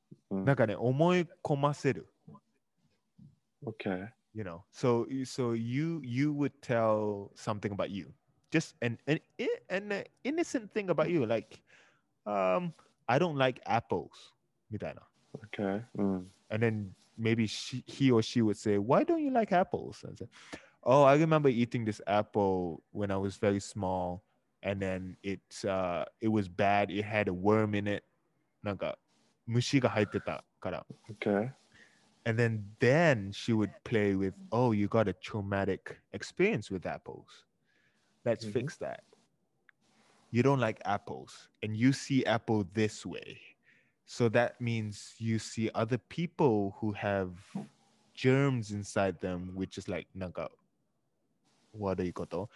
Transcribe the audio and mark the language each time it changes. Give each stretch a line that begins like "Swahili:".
Japanese: なんかね、思い込ませる。
English: Okay. You know, so you would tell something about you, just an innocent thing about you, like, I don't like apples,
Japanese: みたいな.
English: Okay. And then maybe he or she would say, why don't you like apples? And say, oh, I remember eating this apple when I was very small, and then it was bad. It had a worm in it.
Japanese: なんか虫が入ってたから.
English: Okay. And then she would play with, oh, you got a traumatic experience with apples. Let's fix that. You don't like apples. And you see apple this way. So that means you see other people who have germs inside them, which is like, nanka, what are you got?